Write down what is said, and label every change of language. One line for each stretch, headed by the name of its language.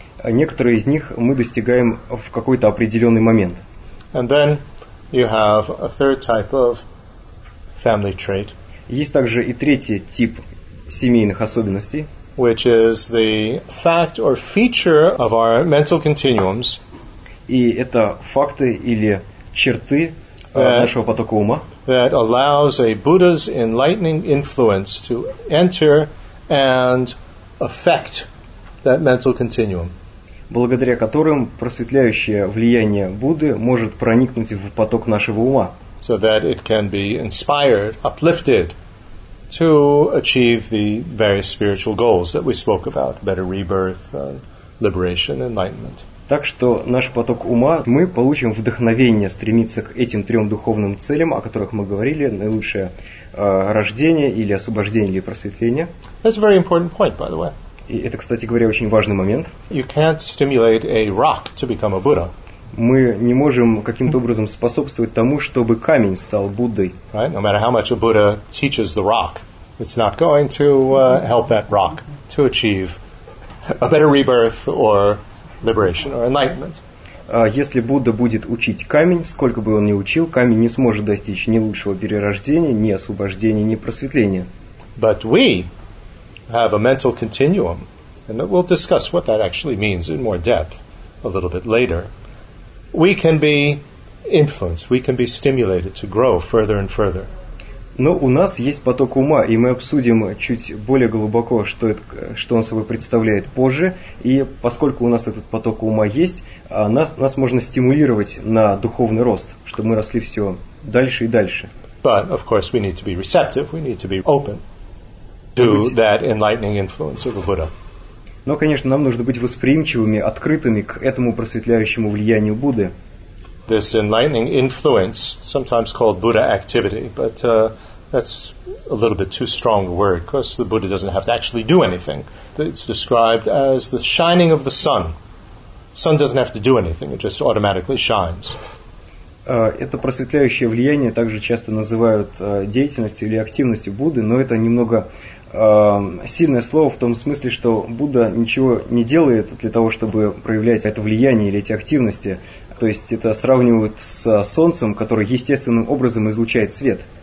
Russian: Некоторые из них мы достигаем в какой-то определенный момент.
English: And then you have a third type of family trait.
Russian: Есть также и третий тип семейных особенностей.
English: Which is the fact or feature of our mental continuums.
Russian: И это факты или черты нашего потока ума.
English: That allows a Buddha's enlightening influence to enter and affect that mental continuum.
Russian: Благодаря которым просветляющее влияние Будды может проникнуть в поток нашего ума.
English: So that it can be inspired, uplifted, to achieve the various spiritual goals that we spoke about, better rebirth, liberation, enlightenment.
Russian: Так что наш поток ума, мы получим вдохновение стремиться к этим трем духовным целям, о которых мы говорили, наилучшее рождение или освобождение или просветление.
English: That's a very important point, by the way.
Russian: И это, кстати говоря, очень важный момент.
English: You can't stimulate a rock to become a Buddha.
Russian: Мы не можем каким-то образом способствовать тому, чтобы камень стал Буддой.
English: Right? No matter how much a Buddha teaches the rock, it's not going to help that rock to achieve a better rebirth or liberation or enlightenment.
Russian: Если Будда будет учить камень, сколько бы он ни учил, камень не сможет достичь ни лучшего перерождения, ни освобождения, ни просветления.
English: But we have a mental continuum, and we'll discuss what that actually means in more depth a little bit later. We can be influenced, we can be stimulated to grow further and further.
Russian: Но у нас есть поток ума, и мы обсудим чуть более глубоко, что он собой представляет позже. И поскольку у нас этот поток ума есть, нас можно стимулировать на духовный рост, чтобы мы росли все дальше и дальше.
English: But, of course, we need to be receptive, we need to be open to that enlightening influence of the Buddha.
Russian: Но, конечно, нам нужно быть восприимчивыми, открытыми к этому просветляющему влиянию Будды.
English: this enlightening influence, sometimes called Buddha activity, but that's a little bit too strong a word, because the Buddha doesn't have to actually do anything. It's described as the shining of the sun. Sun doesn't have to do anything, it just automatically shines.
Russian: Это просветляющее влияние также часто называют деятельностью или активностью Будды, но это немного сильное слово в том смысле, что Будда ничего не делает для того, чтобы проявлять это влияние или эти активности. То есть это сравнивают с солнцем, который естественным образом излучает свет.